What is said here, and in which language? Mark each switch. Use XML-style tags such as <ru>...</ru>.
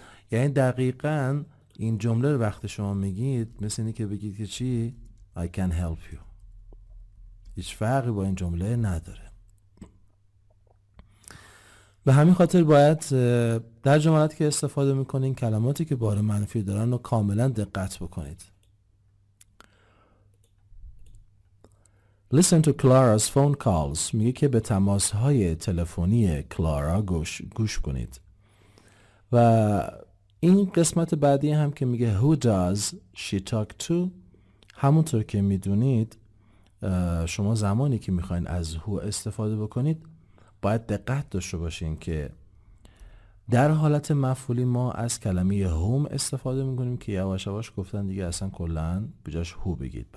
<fa>یعنی دقیقاً این جمله رو وقتی شما میگید مثل اینی که بگید که چی؟</fa> <en>I can help you.</en> <fa>هیچ فرقی با این جمله نداره. به همین خاطر باید در جملات که استفاده میکنین کلماتی که بار منفی دارن رو کاملا دقت بکنید.</fa> <en>Listen to Clara's phone calls.</en> <fa>میگه که به تماس های تلفنی کلارا گوش کنید. و این قسمت بعدی هم که میگه</fa> <en>Who does she talk to؟</en> <fa>همونطور که میدونید شما زمانی که میخواین از who استفاده بکنید باید دقت داشته باشین که در حالت مفعولی ما از کلمه whom استفاده میکنیم که یواش یواش گفتن دیگه اصلا کلن بجاش who بگید.</fa>